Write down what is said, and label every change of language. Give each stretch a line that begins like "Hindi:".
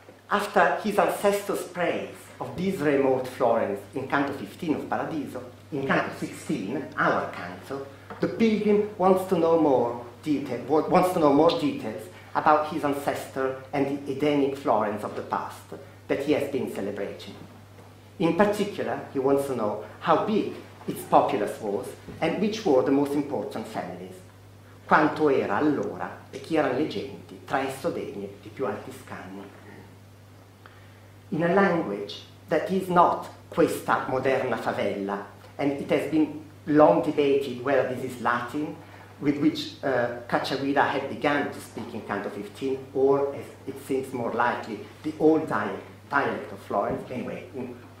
English: After his ancestors' praise of this remote Florence in Canto 15 of Paradiso, in Canto 16, our canto, the pilgrim wants to know more detail, wants to know more details about his ancestor and the Edenic Florence of the past that he has been celebrating. In particular, he wants to know how big its populace was and which were the most important families.
Italian: Quanto era allora e chi erano le genti tra esso degne di più alti scanni.
English: In a language that is not
Italian: questa moderna favela,
English: and it has been long debated whether this is Latin, with which Cacciaguida had begun to speak in Canto 15, or, as it seems more likely, the old dialect of Florence, anyway, in